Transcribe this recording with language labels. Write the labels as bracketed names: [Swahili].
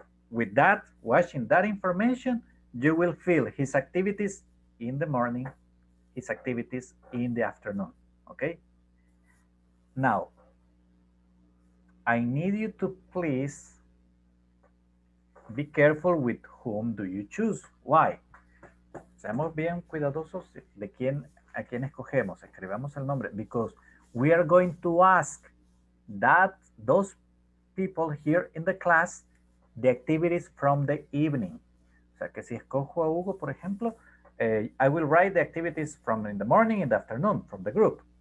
[English] With that, watching that information, you will feel his activities in the morning, his activities in the afternoon, okay? Now, I need you to please be careful with whom do you choose. Why? [Spanish] Seamos bien cuidadosos de quién, a quién escogemos. Escribamos el nombre. [English] Because we are going to ask that those people here in the class the activities from the evening. [Spanish] O sea, que si escojo a Hugo, por ejemplo, [English] I will write the activities from in the morning, in the afternoon, from the group.